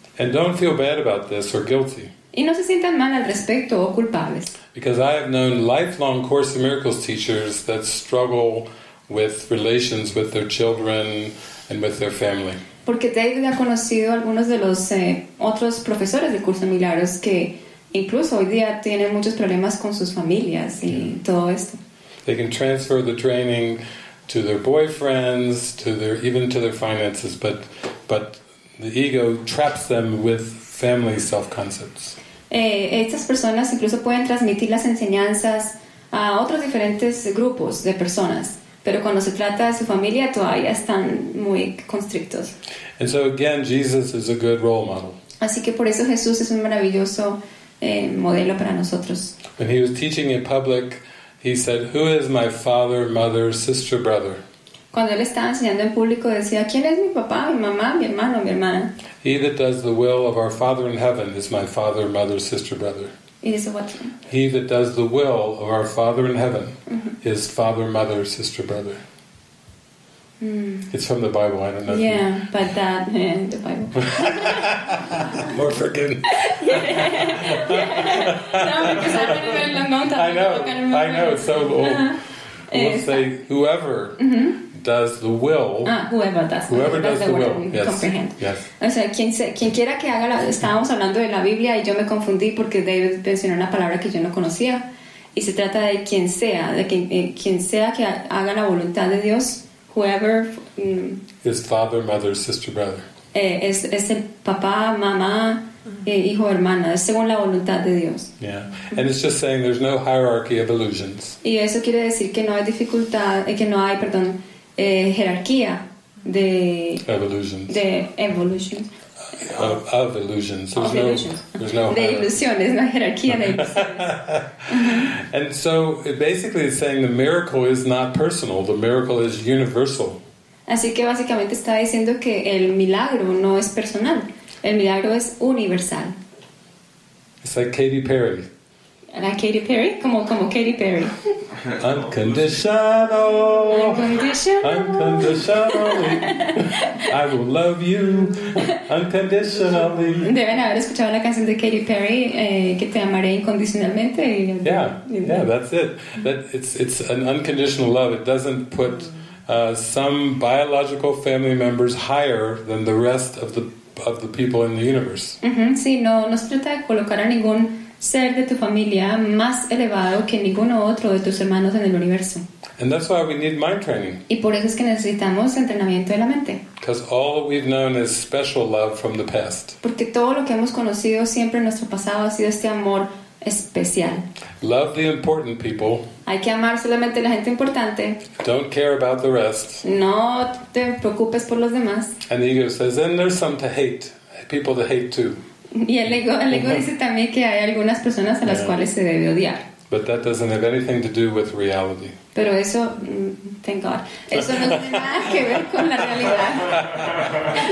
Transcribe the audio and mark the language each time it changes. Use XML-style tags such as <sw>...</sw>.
<en>And don't feel bad about this or guilty.</en> <es>Y no se sientan mal al respecto o culpables.</es> <en>Because I have known lifelong Course in Miracles teachers that struggle with relations with their children and with their family.</en> <es>Porque David ha conocido algunos de los otros profesores del curso de milagros que incluso hoy día tienen muchos problemas con sus familias y todo esto.</es> <en>They can transfer the training to their boyfriends, to their even to their finances, but the ego traps them with family self-concepts.</en> <es>Estas personas incluso pueden transmitir las enseñanzas a otros diferentes grupos de personas. Pero cuando se trata de su familia, todavía están muy constrictos.</es> <en>And so again, Jesus is a good role model.</en> <es>Así que por eso Jesús es un maravilloso modelo para nosotros.</es> <en>When he was teaching in public, he said, "Who is my father, mother, sister, brother?"</en> <es>Cuando él estaba enseñando en público, decía, "¿Quién es mi papá, mi mamá, mi hermano, mi hermana?"</es> <en>He that does the will of our Father in heaven is my father, mother, sister, brother. He that does the will of our Father in heaven is father, mother, sister, brother. It's from the Bible, I don't know. Yeah, but that the Bible. More freaking. I know, it's so old. We'll say whoever does the will. Whoever does the will. Yes.</en> <es>O sea, quien quiera que haga. Estábamos hablando de la Biblia y yo me confundí porque David mencionó una palabra que yo no conocía y se trata de quien sea, de quien sea que haga la voluntad de Dios.</es> <en>Whoever. Is father, mother, sister, brother.</en> <es>Es el papá, mamá, hijo, hermana, según la voluntad de Dios.</es> <en>Yeah, and it's just saying there's no hierarchy of illusions.</en> <es>Y eso quiere decir que no hay dificultad, que no hay, perdón, jerarquía de</es> <en>evolutions.</en> <es>De evolution.</es> <en>Of illusions. There's of no, illusion. There's no the illusion is not hierarchy of illusions. And so it basically is saying the miracle is not personal, the miracle is universal.</en> <es>Así que básicamente está diciendo que el milagro no es personal, el milagro es universal.</es> <en>It's like Katy Perry. Like Katy Perry? Como Katy Perry. Unconditionally. I will love you unconditionally.</en> <es>Deben haber escuchado la canción de Katy Perry, que te amaré incondicionalmente.</es> <en>Yeah, that's it. That it's an unconditional love. It doesn't put some biological family members higher than the rest of the people in the universe. Mm-hmm.</en> <es>Sí, no se trata de colocar a ningún ser de tu familia más elevado que ninguno otro de tus hermanos en el universo.</es> <en>And that's why we need mind training.</en> <es>Y por eso es que necesitamos entrenamiento de la mente.</es> <en>Because all we've known is special love from the past.</en> <es>Porque todo lo que hemos conocido siempre en nuestro pasado ha sido este amor especial.</es> <en>Love the important people.</en> <es>Hay que amar solamente a la gente importante.</es> <en>Don't care about the rest.</en> <es>No te preocupes por los demás.</es> <en>And the ego says, then there's some to hate. People to hate too.</en> <es>Y el ego dice también que hay algunas personas a las cuales se debe odiar.</es> <en>But that doesn't have anything to do with reality.</en> <es>Pero eso, thank God, eso no tiene nada que ver con la realidad.</es>